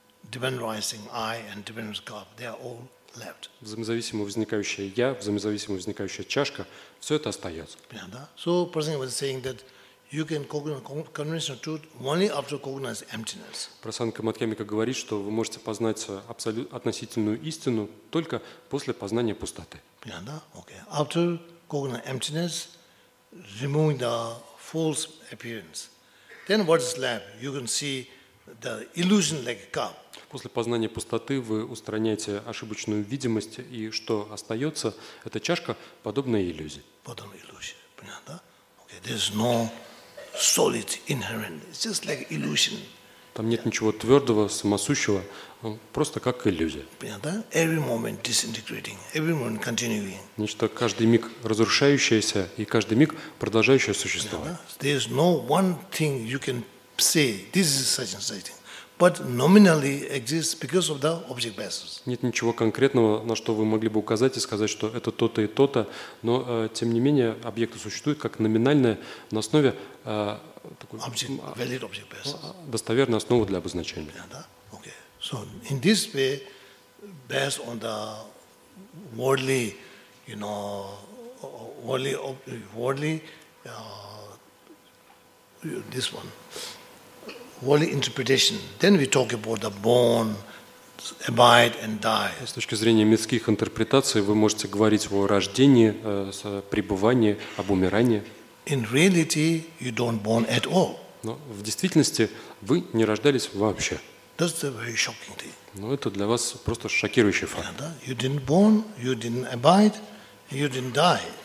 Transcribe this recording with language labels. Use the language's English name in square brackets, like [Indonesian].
[English] Dependent arising I and dependent cup, they are all left. [Russian] Взаимозависимо возникающее я, взаимозависимо возникающая чашка, все это остается. Понятно? [English] So Prasanga was saying that you can cognize conventional truth only after cognizing emptiness. [Russian] Прасанги Матхьямика говорит, что вы можете познать абсолютную относительную истину только после познания пустоты. Yeah, okay. [English] After cognizing emptiness, removing the false appearance, then what is left? You can see the illusion like a cup. [Russian] После познания пустоты вы устраняете ошибочную видимость, и что остается? Это чашка, подобная иллюзии. Подобная иллюзия. Понятно? [English] Okay. There's no solid inherent. It's just like illusion. [Russian] Там нет ничего твердого, самосущего, просто как иллюзия. [English] Да? Every moment disintegrating, every moment continuing. [Russian] Нечто каждый миг разрушающееся и каждый миг продолжающее существовать. Да? [English] There is no one thing you can say this is such and such thing, but nominally exists because of the object basis. [Russian] Нет ничего конкретного, на что вы могли бы указать и сказать, что это то-то и то-то, но тем не менее объекты существуют как номинальное на основе [English] Valid object basis. [Russian] Достоверная основа для обозначения. Yeah, да? Okay. [English] So in this way, based on the worldly, you know, worldly interpretation, then we talk about the born, abide and die. [Russian] С точки зрения мирских интерпретаций, вы можете говорить о рождении, о пребывании, об умирании. [English] In reality, you don't born at all. [Russian] Но в действительности вы не рождались вообще. [English] That's a very shocking thing. [Russian] Но это для вас просто шокирующий факт. Yeah, да? [English] You didn't born, you didn't abide, you didn't die.